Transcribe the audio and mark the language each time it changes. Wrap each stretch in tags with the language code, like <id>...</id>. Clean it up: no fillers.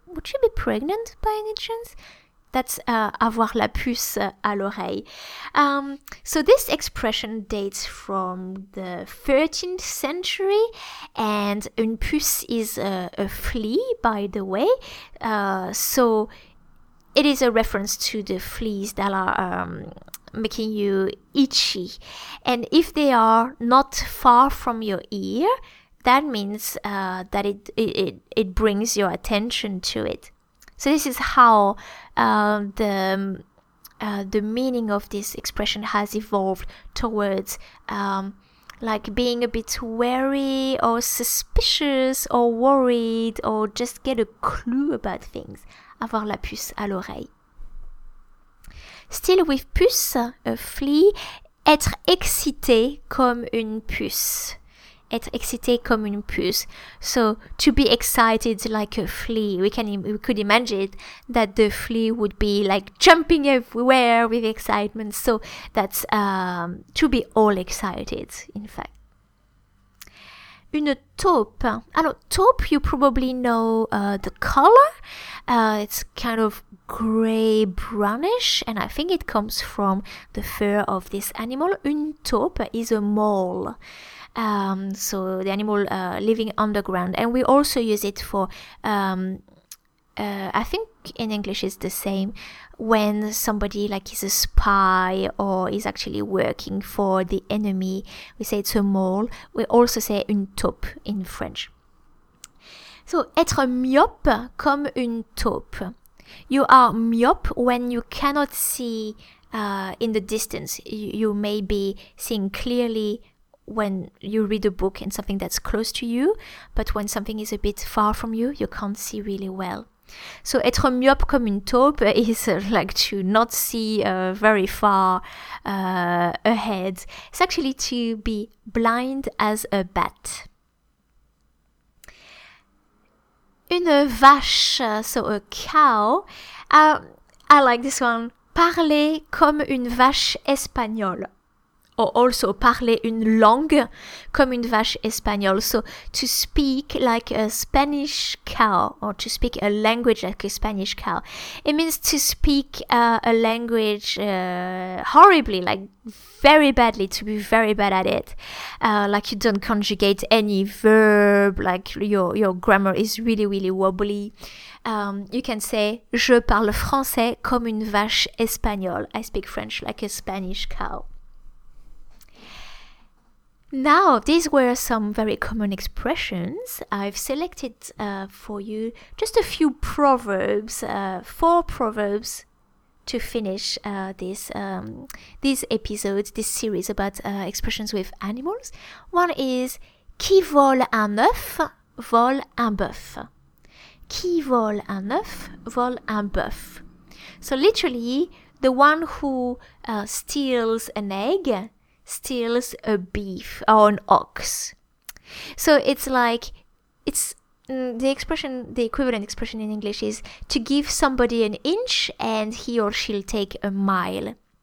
<en>Would she be pregnant by any chance?</en> <fr>That's avoir la puce à l'oreille.</fr> <en>So this expression dates from the 13th century. And une puce is a flea, by the way. So it is a reference to the fleas that are making you itchy. And if they are not far from your ear, that means that it brings your attention to it. So this is how the meaning of this expression has evolved towards like being a bit wary or suspicious or worried or just get a clue about things.</en> <fr>Avoir la puce à l'oreille.</fr> <en>Still with puce, a flea,</en> <fr>être excité comme une puce. Être excité comme une puce.</fr> <en>So, to be excited like a flea. We could imagine that the flea would be like jumping everywhere with excitement. So, that's to be all excited, in fact.</en> <fr>Une taupe. Alors, taupe,</fr> <en>you probably know the color. It's kind of grey-brownish. And I think it comes from the fur of this animal. Une taupe is a mole. So the animal living underground, and we also use it for I think in English it's the same, when somebody like is a spy or is actually working for the enemy, we say it's a mole. We also say une taupe in French.</en> <fr>So être myope comme une taupe.</fr> <en>You are myope when you cannot see in the distance. You may be seeing clearly when you read a book and something that's close to you, but when something is a bit far from you, you can't see really well. So</en> <fr>être myope comme une taupe</fr> <en>is like to not see very far ahead. It's actually to be blind as a bat. Une vache, so a cow. I like this one.</en> <fr>Parler comme une vache espagnole. Or also parler une langue comme une vache espagnole.</fr> <en>So to speak like a Spanish cow, or to speak a language like a Spanish cow. It means to speak a language horribly, like very badly, to be very bad at it. Like you don't conjugate any verb, like your grammar is really, really wobbly. You can say,</en> <fr>je parle français comme une vache espagnole.</fr> <en>I speak French like a Spanish cow. Now, these were some very common expressions. I've selected for you just a few proverbs, four proverbs, to finish this episode, this series about expressions with animals.</en> <fr>One is qui vole un œuf vole un bœuf. Qui vole un œuf vole un bœuf.</fr> <en>So literally, the one who steals an egg steals a beef or an ox. So it's like, it's the expression, the equivalent expression in English is to give somebody an inch and he or she'll take a mile.</en>